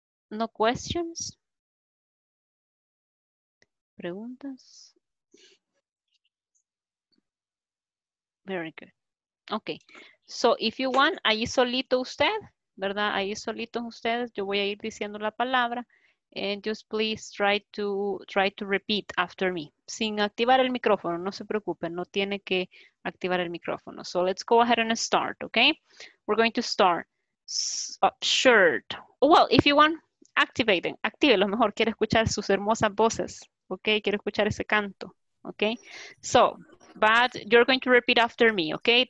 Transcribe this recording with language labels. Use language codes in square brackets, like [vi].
[en] No questions? [es] ¿Preguntas? [en] Very good. Okay. So, if you want, [es] ahí solito usted, ¿verdad? Ahí solito ustedes, yo voy a ir diciendo la palabra. [en] And just please try to repeat after me. [es] Sin activar el micrófono, no se preocupen, no tiene que activar el micrófono. [en] So let's go ahead and start, okay? We're going to start. Shirt. Well, if you want, activate it. [es] Active, lo mejor, quiero escuchar sus hermosas voces, okay? Quiero escuchar ese canto, okay? [en] So, but you're going to repeat after me, okay?